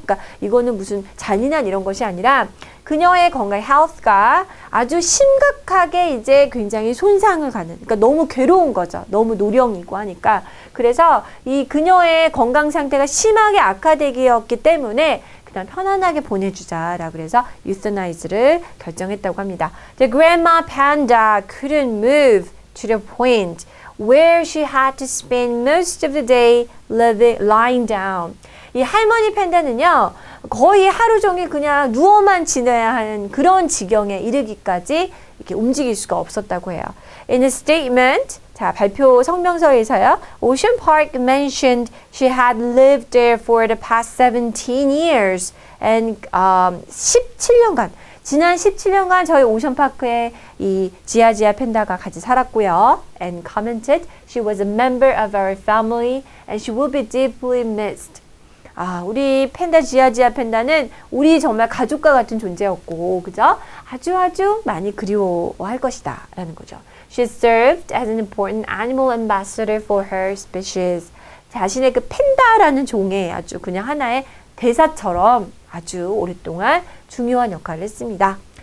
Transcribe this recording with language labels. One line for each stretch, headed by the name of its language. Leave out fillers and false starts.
Korean: 그러니까 이거는 무슨 잔인한 이런 것이 아니라 그녀의 건강 health가 아주 심각하게 이제 굉장히 손상을 가는, 그러니까 너무 괴로운 거죠. 너무 노령이고 하니까. 그래서 이 그녀의 건강 상태가 심하게 악화되기였기 때문에 그냥 편안하게 보내주자라 그래서 euthanize를 결정했다고 합니다.
English: The grandma panda couldn't move to the point where she had to spend most of the day lying down.
Korean: 이 할머니 판다는요, 거의 하루 종일 그냥 누워만 지내야 하는 그런 지경에 이르기까지 이렇게 움직일 수가 없었다고 해요.
English: In a statement,
Korean: 자, 발표 성명서에서요,
English: Ocean Park mentioned she had lived there for the past 17 years and
Korean: 17년간, 지난 17년간 저희 오션파크에 이 지아지아 판다가 같이 살았고요.
English: And commented, she was a member of our family and she will be deeply missed.
Korean: 아, 우리 판다 지아지아 판다는 우리 정말 가족과 같은 존재였고, 그죠? 아주 아주 많이 그리워할 것이다 라는 거죠.
English: She served as an important animal ambassador for her species.
Korean: 자신의 그 판다라는 종의 아주 그냥 하나의 대사처럼 아주 오랫동안 중요한 역할을 했습니다.